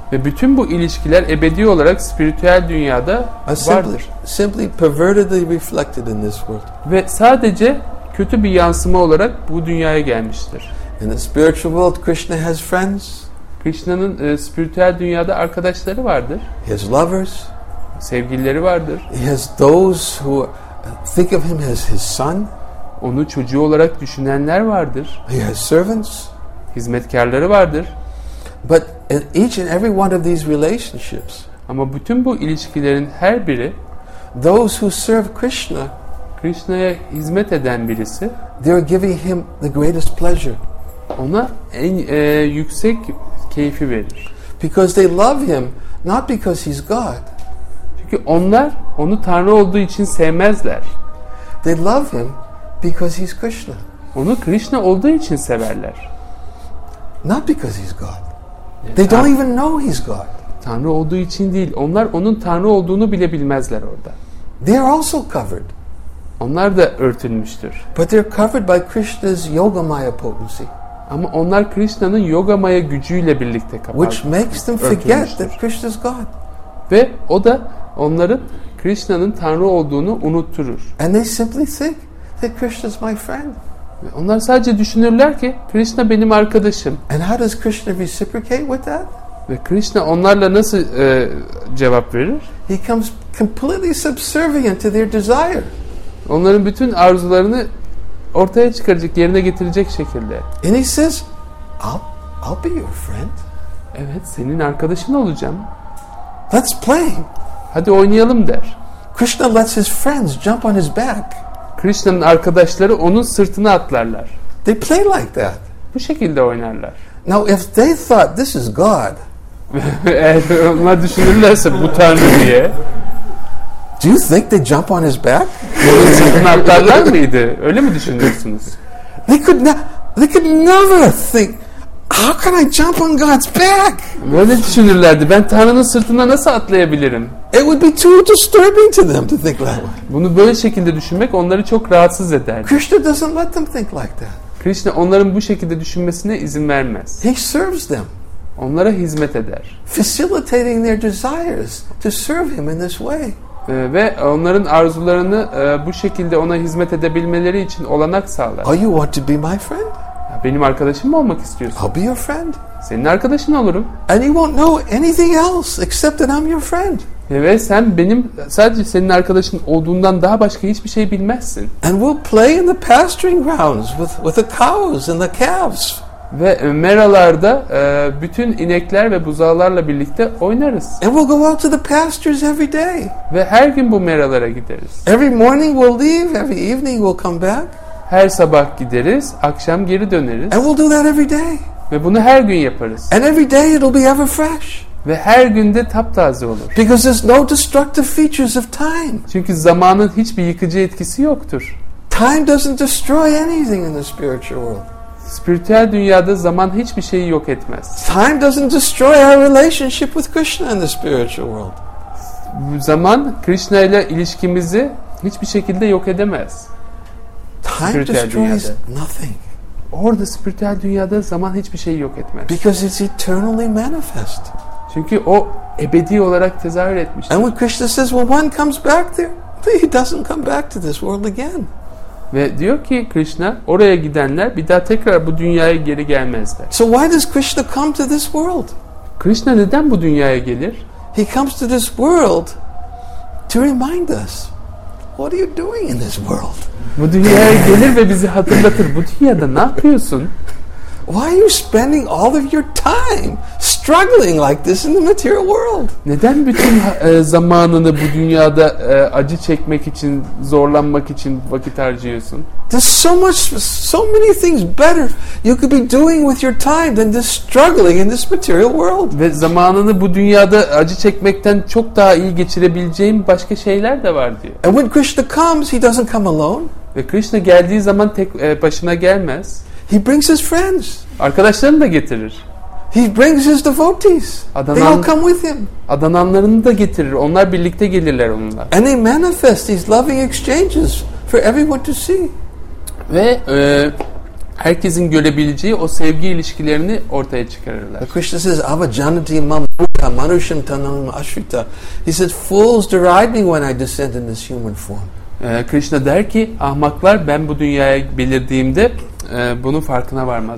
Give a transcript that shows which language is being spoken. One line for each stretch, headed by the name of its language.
Turkish: Ve bütün bu ilişkiler ebedi olarak spiritüel dünyada vardır.
English: Simply pervertedly reflected in this world.
Turkish: Ve sadece kötü bir yansıma olarak bu dünyaya gelmiştir.
English: In the spiritual world, Krishna has friends.
Turkish: Krishna'nın spiritüel dünyada arkadaşları vardır.
English: He has lovers.
Turkish: Sevgilileri vardır.
English: He has those who think of him as his son.
Turkish: Onu çocuğu olarak düşünenler vardır.
English: He has servants.
Turkish: Hizmetkarları vardır.
English: But in each and every one of these relationships,
Turkish: ama bütün bu ilişkilerin her biri,
English: those who serve Krishna,
Turkish: Krishna'ya hizmet eden birisi,
English: they are giving him the greatest pleasure.
Turkish: Ona en yüksek keyfi verir.
English: Because they love him, not because he's God.
Turkish: Çünkü onlar onu Tanrı olduğu için sevmezler.
English: They love him because he's Krishna.
Turkish: Onu Krishna olduğu için severler.
English: Not because he's God. They don't even know he's God.
Turkish: Tanrı olduğu için değil. Onlar onun Tanrı olduğunu bile bilmezler orada.
English: They are also covered.
Turkish: Onlar da örtülmüştür.
English: But they're covered by Krishna's yoga maya potency.
Turkish: Ama onlar Krishna'nın yoga maya gücüyle birlikte kapatılmıştır.
English: Which makes them forget that Krishna's God.
Turkish: Ve o da onların Krishna'nın Tanrı olduğunu unutturur.
English: And they simply think that Krishna's my friend.
Turkish: Onlar sadece düşünürler ki Krishna benim arkadaşım.
English: And how does Krishna reciprocate with that?
Turkish: Ve Krishna onlarla nasıl cevap verir?
English: He comes completely subservient to their desire.
Turkish: Onların bütün arzularını ortaya çıkaracak, yerine getirecek şekilde.
English: And he says, I'll be your friend.
Turkish: Evet, senin arkadaşın olacağım.
English: Let's play.
Turkish: Hadi oynayalım der.
English: Krishna lets his friends jump on his back.
Turkish: Krishna'nın arkadaşları onun sırtına atlarlar.
English: They play like that.
Turkish: Bu şekilde oynarlar.
English: Now if they thought this is God.
Turkish: Eğer onlar düşünürlerse bu Tanrı diye.
English: Do you think they jump on his back?
Turkish: Onun sırtına atlarlar mıydı? Öyle mi düşünüyorsunuz?
English: They could never think, how can I jump on God's back?
Turkish: Böyle düşünürlerdi. Ben Tanrı'nın sırtına nasıl atlayabilirim?
English: It would be too disturbing to them to think that way.
Turkish: Bunu böyle şekilde düşünmek onları çok rahatsız ederdi.
English: Krishna doesn't let them think like that.
Turkish: Krishna onların bu şekilde düşünmesine izin vermez.
English: He serves them.
Turkish: Onlara hizmet eder.
English: Facilitating their desires to serve him in this way.
Turkish: Ve onların arzularını bu şekilde ona hizmet edebilmeleri için olanak sağlar.
English: Oh, you want to be my friend?
Turkish: Benim arkadaşım mı olmak istiyorsun?
English: I'll be your friend.
Turkish: Senin arkadaşın olurum.
English: And you won't know anything else except that I'm your friend.
Turkish: Ve sen benim sadece senin arkadaşın olduğundan daha başka hiçbir şey bilmezsin.
English: And we'll play in the pasturing grounds with the cows and the calves.
Turkish: Ve meralarda bütün inekler ve buzağlarla birlikte oynarız.
English: And we'll go out to the pastures every day.
Turkish: Ve her gün bu meralara gideriz.
English: Every morning we'll leave, every evening we'll come back.
Turkish: Her sabah gideriz, akşam geri döneriz.
English: And we'll do that every day.
Turkish: Ve bunu her gün yaparız.
English: And every day it'll be ever fresh.
Turkish: Ve her günde taptaze olur.
English: Because there's no destructive features of time.
Turkish: Çünkü zamanın hiçbir yıkıcı etkisi yoktur.
English: Time doesn't destroy anything in the spiritual world.
Turkish: Spiritüel dünyada zaman hiçbir şeyi yok etmez.
English: Time doesn't destroy our relationship with Krishna in the spiritual world.
Turkish: Zaman Krishna ile ilişkimizi hiçbir şekilde yok edemez.
English: Time destroys nothing.
Turkish: Orada spiritüel dünyada zaman hiçbir şeyi yok etmez.
English: Because it's eternally manifest.
Turkish: Çünkü o ebedi olarak tezahür etmiştir.
English: And when Krishna says, well, one comes back there, he doesn't come back to this world again.
Turkish: Ve diyor ki Krishna, oraya gidenler bir daha tekrar bu dünyaya geri gelmezler.
English: So why does Krishna come to this world?
Turkish: Krishna neden bu dünyaya gelir?
English: He comes to this world to remind us, what are you doing in this world?
Turkish: Bu dünyaya gelir ve bizi hatırlatır. Bu dünyada ne yapıyorsun?
English: Why are you spending all of your time struggling like this in the material world?
Turkish: Neden bütün zamanını bu dünyada acı çekmek için, zorlanmak için vakit harcıyorsun?
English: There's so many things better you could be doing with your time than this struggling in this material world.
Turkish: Ve zamanını bu dünyada acı çekmekten çok daha iyi geçirebileceğin başka şeyler de var diyor.
English: And when Krishna comes, he doesn't come alone.
Turkish: Ve Krishna geldiği zaman tek başına gelmez.
English: He brings his friends.
Turkish: Arkadaşlarını da getirir.
English: He brings his devotees. They all come with him.
Turkish: Adananlarını da getirir. Onlar birlikte gelirler onunla.
English: And they manifest these loving exchanges for everyone to see.
Turkish: Ve herkesin görebileceği o sevgi ilişkilerini ortaya çıkarırlar.
English: Krishna says,
Sanskrit: "Ava janati mam bhuta manushyam tanam ashrita."
English: He says, "Fools deride me when I descend in this human form."
Turkish: Krishna der ki, ahmaklar ben bu dünyaya belirdiğimde bunun farkına varmazlar.